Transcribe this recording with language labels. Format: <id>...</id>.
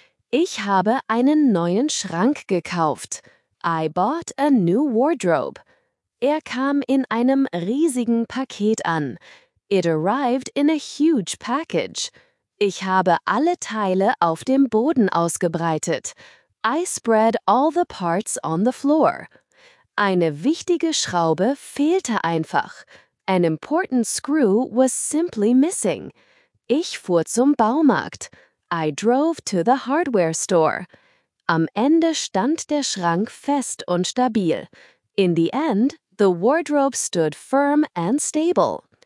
<de>Ich habe einen neuen Schrank gekauft.</de> <en>I bought a new wardrobe.</en> <de>Er kam in einem riesigen Paket an.</de> <en>It arrived in a huge package.</en> <de>Ich habe alle Teile auf dem Boden ausgebreitet.</de> <en>I spread all the parts on the floor.</en> <de>Eine wichtige Schraube fehlte einfach.</de> <en>An important screw was simply missing.</en> <de>Ich fuhr zum Baumarkt.</de> <en>I drove to the hardware store.</en> <de>Am Ende stand der Schrank fest und stabil.</de> <en>In the end, the wardrobe stood firm and stable.</en>